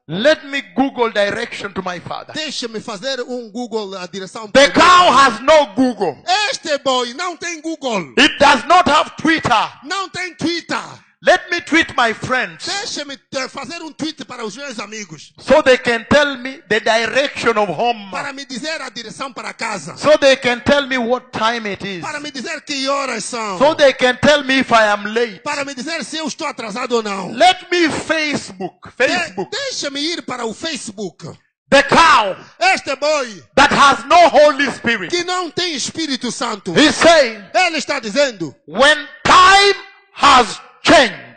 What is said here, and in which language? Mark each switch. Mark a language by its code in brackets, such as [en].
[en] Let me Google direction to my father. [pt] Deixa-me fazer Google a direção. [en] The cow has no Google. [pt] Este boy não tem Google. [en] It does not have Twitter. [pt] Não tem Twitter. [en] Let me tweet my friends. [pt] Deixe-me ter, fazer tweet para os meus amigos. [en] So they can tell me the direction of home. [pt] Para me dizer a direção para casa. [en] So they can tell me what time it is. [pt] Para me dizer que horas são. [en] So they can tell me if I am late. [pt] Para me dizer se eu estou atrasado ou não. [en] Let me Facebook. [pt] Deixe-me ir para o Facebook. [en] The cow, [pt] este boy, [en] that has no Holy Spirit, [pt] que não tem Espírito Santo, [en] he's saying, [pt] ele está dizendo, [en] when time has changed,